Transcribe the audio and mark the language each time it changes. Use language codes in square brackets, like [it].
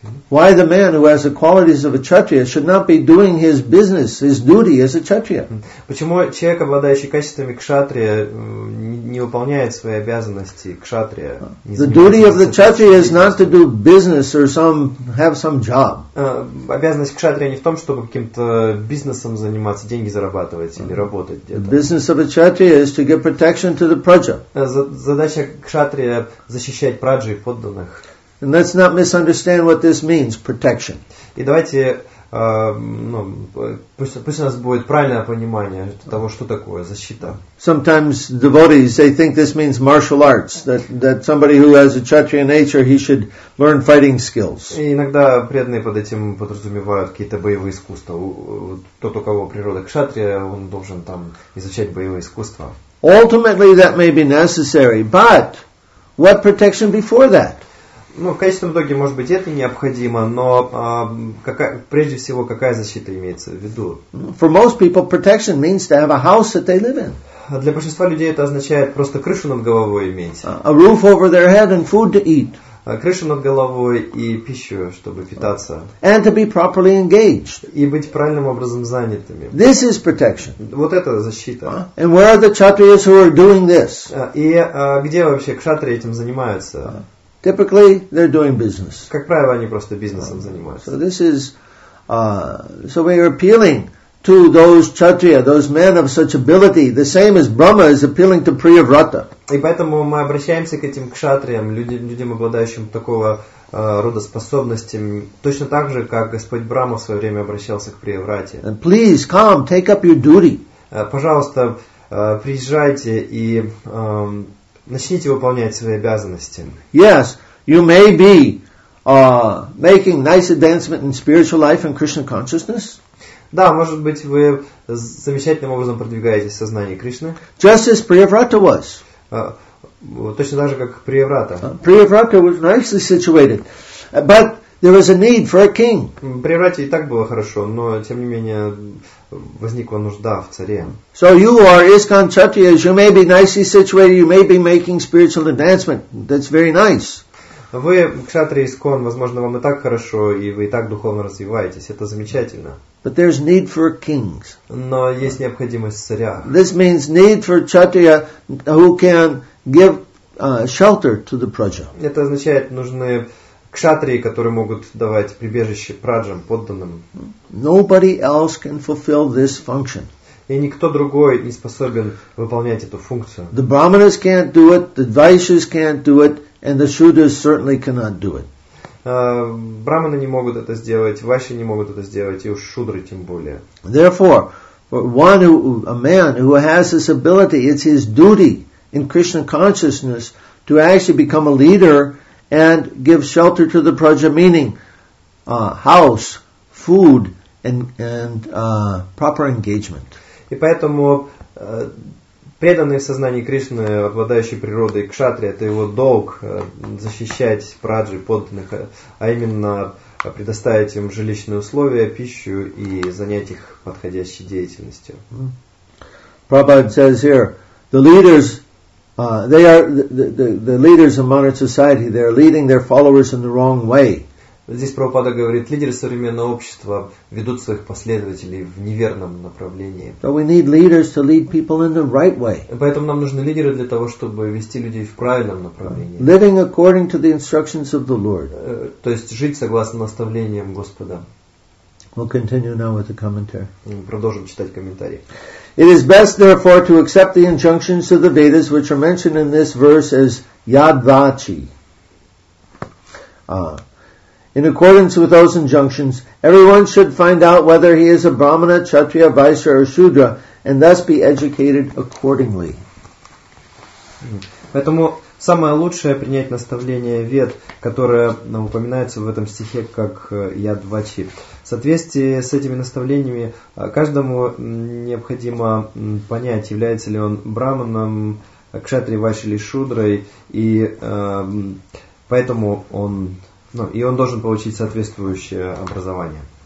[en] Why the man who has the qualities of a kshatriya should not be doing his business, his duty as a kshatriya? [ru] Почему человек, обладающий качествами кшатрия, не выполняет свои обязанности кшатрия? [en] The duty of the kshatriya is not to do business or have some job. [ru] Обязанность кшатрия не в том, чтобы каким-то бизнесом заниматься, деньги зарабатывать или работать где-то. [en] The business of a kshatriya is to give protection to the praja. [ru] Задача кшатрия защищать праджи и подданных. [en] And let's not misunderstand what this means, protection. [ru] И давайте, ну, пусть у нас будет правильное понимание того, что такое защита. [en] Sometimes devotees, they think this means martial arts, that somebody who has a kshatriya nature, he should learn fighting skills. [ru] И иногда преданные под этим подразумевают какие-то боевые искусства. Тот, у кого природа кшатрия, он должен там изучать боевые искусства. [en] Ultimately, that may be necessary, but what protection before that? [ru] Ну, в конечном итоге, может быть, это необходимо, но прежде всего, какая защита имеется в виду? [en] For most people, protection means to have a house that they live in. [ru] Для большинства людей это означает просто крышу над головой иметь. [en] A roof over their head and food to eat. [ru] Крышу над головой и пищу, чтобы питаться. [en] And to be properly engaged. [ru] И быть правильным образом занятыми. [en] This is protection. [ru] Вот это защита. [en] And where are the kshatriyas who are doing this? [ru] И где вообще кшатрии этим занимаются? [en] Typically, they're doing business. [ru] Как правило, они просто бизнесом занимаются. [en] So this is, so we are appealing to those kshatriya, those men of such ability, the same as Brahma is appealing to Priyavrata. [ru] И поэтому мы обращаемся к этим кшатриям, людям, обладающим такого рода способностями, точно так же, как Господь Брама в свое время обращался к Приеврате. [en] And please come, take up your duty. [ru] Пожалуйста, приезжайте и начните выполнять свои обязанности. [en] Yes, you may be making nice advancement in spiritual life and Krishna consciousness. [ru] Да, может быть, вы замечательным образом продвигаетесь в сознании Кришны. [en] Just as Priyavrata was. [ru] Точно так же, как Priyavrata. [en] Priyavrata was nicely situated, but there was a need for a king. [ru] Priyavrata и так было хорошо, но тем не менее возникла нужда в царе. [en] So you are ISKCON kshatriyas, you may be nicely situated, you may be making spiritual advancement. That's very nice. [ru] Вы кшатрия ISKCON, возможно, вам и так хорошо, и вы и так духовно развиваетесь. Это замечательно. [en] But there's need for kings. [ru] Но есть необходимость в царях. [en] This means need for kshatriya who can give shelter to the praja. [ru] Это означает, нужны кшатрии, которые могут давать прибежище праджам, подданным. [en] Nobody else can fulfill this function. [ru] И никто другой не способен выполнять эту функцию. [en] The brahmanas can't do it, the vaishyas can't do it, and the shudras certainly cannot do it. [ru] Брахманы не могут это сделать, вайши не могут это сделать, и уж шудры тем более. [en] Therefore, for one who, a man who has this ability, it's his duty in Krishna consciousness to actually become a leader and give shelter to the praja, meaning house, food, and proper engagement. [ru] И поэтому преданные в сознании Кришны, обладающие природой кшатрия, это его долг защищать праджи, подданных, а именно предоставить им жилищные условия, пищу и занять их подходящей деятельностью. [en] Prabhupada says here, the leaders, they are the leaders of modern society. They are leading their followers in the wrong way. [ru] Здесь Прабхупада говорит, лидеры современного общества ведут своих последователей в неверном направлении. [en] So we need leaders to lead people in the right way. [ru] Поэтому нам нужны лидеры для того, чтобы вести людей в правильном направлении. [en] Living according to the instructions of the Lord. [ru] То есть жить согласно наставлениям Господа. [en] We'll continue now with the commentary. [ru] Продолжим читать комментарий. [en] It is best, therefore, to accept the injunctions of the Vedas, which are mentioned in this verse as Yadvachi. In accordance with those injunctions, everyone should find out whether he is a Brahmana, Kshatriya, Vaishya, or Shudra, and thus be educated accordingly. [ru] Поэтому самое лучшее принять наставление Вед, которое упоминается в этом стихе как Ядвачи. В соответствии с этими наставлениями, каждому необходимо понять, является ли он Брахманом, кшатри Васили Шудрой, и поэтому он, ну, и он должен получить соответствующее образование.